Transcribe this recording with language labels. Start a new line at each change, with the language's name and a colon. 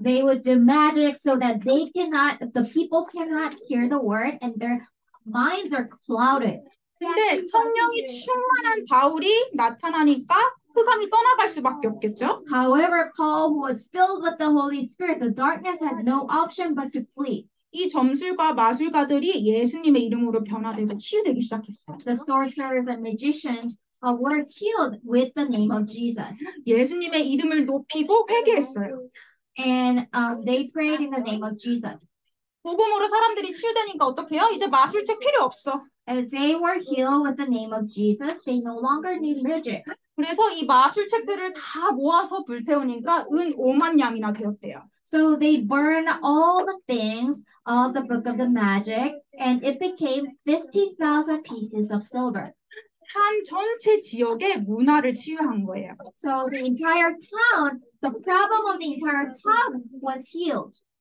English: They would do magic so that they cannot, the people cannot hear the word and their minds are clouded.
Korean: 근데 성령이 충만한 바울이 나타나니까 흑암이 떠나갈 수밖에 없겠죠?
English: However, Paul was filled with the Holy Spirit. The darkness had no option but to flee.
Korean: 이 점술과 마술가들이 예수님의 이름으로 변화되고 치유되기 시작했어요.
English: The sorcerers and magicians were healed with the name of Jesus.
Korean: 예수님의 이름을 높이고 회개했어요.
English: And they prayed in the name of Jesus.
Korean: 복음으로 사람들이 치유되니까 어떡해요? 이제 마술책 필요 없어.
English: As they were healed with the name of Jesus, they no longer need magic.
Korean: 그래서 이 마술책들을 다 모아서 불태우니까 은 5만 냥이나 되었대요.
English: So they burn all the things of the book of the magic and it became 15,000 pieces of silver.
Korean: 한 전체 지역의 문화를 치유한 거예요.
English: So the entire town, the problem of the entire town was healed.